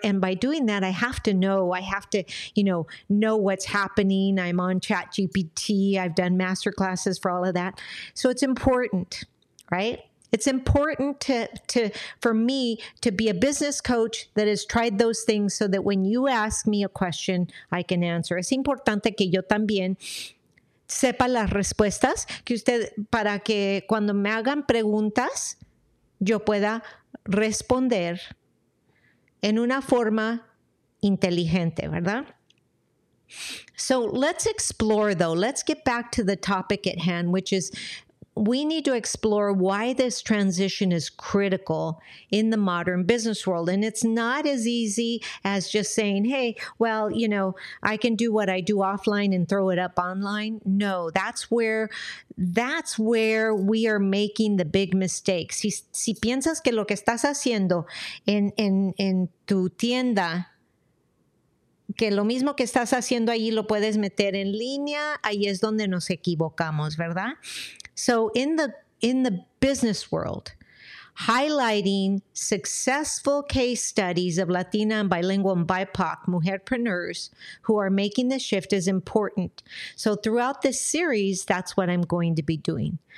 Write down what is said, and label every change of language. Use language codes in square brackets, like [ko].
[en] And by doing that, I have to know, I have to know what's happening. I'm on ChatGPT. I've done masterclasses for all of that. So it's important, right? It's important for me to be a business coach that has tried those things so that when you ask me a question, I can answer. [es] Es importante que yo también sepa las respuestas que usted, para que cuando me hagan preguntas, yo pueda responder en una forma inteligente, ¿verdad? [en] So let's explore though. Let's get back to the topic at hand, which is we need to explore why this transition is critical in the modern business world. And it's not as easy as just saying, hey, well, you know, I can do what I do offline and throw it up online. No, that's where we are making the big mistakes. [es] Si piensas que lo que estás haciendo en tu tienda, que lo mismo que estás haciendo ahí lo puedes meter en línea, ahí es donde nos equivocamos, ¿verdad? [en] So in the business world, highlighting successful case studies of Latina and bilingual and BIPOC mujerpreneurs who are making the shift is important. So throughout this series, that's what I'm going to be doing.